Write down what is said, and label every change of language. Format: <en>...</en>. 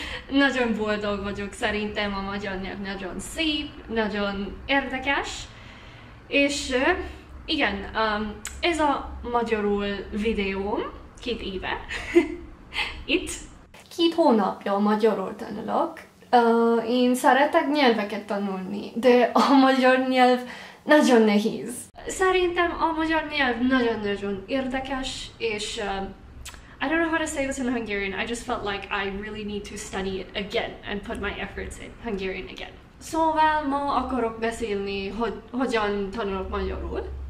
<hu>Nagyon boldog vagyok, szerintem a magyar nyelv nagyon szép, nagyon érdekes, és igen, ez a magyarul videóm. Két éve. Itt. Két hónapja magyarul tanulok. Én szeretek nyelveket tanulni, de a magyar nyelv nagyon nehéz. Szerintem a magyar nyelv nagyon-nagyon érdekes, és</hu> <en>I don't know how to say this in Hungarian. I just felt like I really need to study it again and put my efforts in Hungarian again.</en> <hu>Szóval ma akarok beszélni, hogyan tanulok magyarul.</hu>